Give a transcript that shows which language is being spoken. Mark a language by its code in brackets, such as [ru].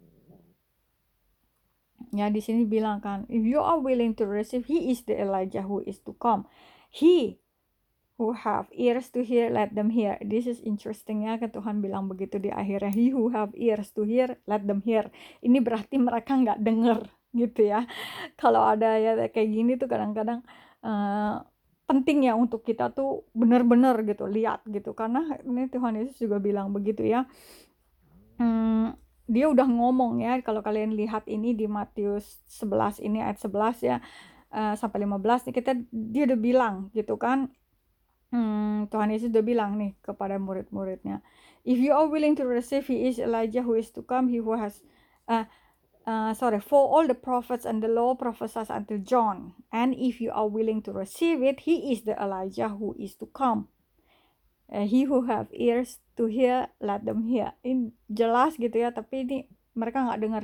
[en] Ya, ya di sini bilang kan, if you are willing to receive, he is the Elijah who is to come. He who have ears to hear, let them hear. This is interesting ya, kan Tuhan bilang begitu di akhirnya. He who have ears to hear, let them hear. [id] Ini berarti mereka nggak dengar, gitu ya. Kalau ada ya kayak gini tuh kadang-kadang penting ya untuk kita tuh benar-benar gitu lihat gitu. Karena ini Tuhan Yesus juga bilang begitu ya. Dia udah ngomong ya, kalau kalian lihat ini di Matius 11 ini ayat 11 ya sampai 15 nih, kita dia udah bilang gitu kan. [en] Tuhan Yesus sudah bilang nih kepada murid-muridnya, if you are willing to receive, he is Elijah who is to come. He who has, for all the prophets and the law prophesies until John. And if you are willing to receive it, he is the Elijah who is to come. He who have ears to hear, let them hear. [id] Ini jelas gitu ya, tapi ini mereka nggak dengar.